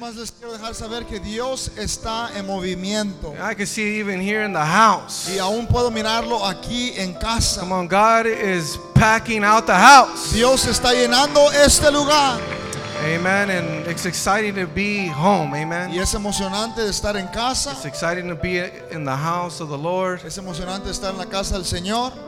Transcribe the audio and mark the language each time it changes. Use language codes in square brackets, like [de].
[es] Nomás les quiero dejar saber que Dios está en movimiento. [en] I can see it even here in the house. [es] Y aún puedo mirarlo aquí en casa. [en] Come on, God is packing out the house. [es] Dios está llenando este lugar. [en] Amen, and it's exciting to be home, amen. [es] Y es emocionante estar en casa. [en] It's exciting to be in the house of the Lord. [es] Es emocionante estar en la casa del Señor.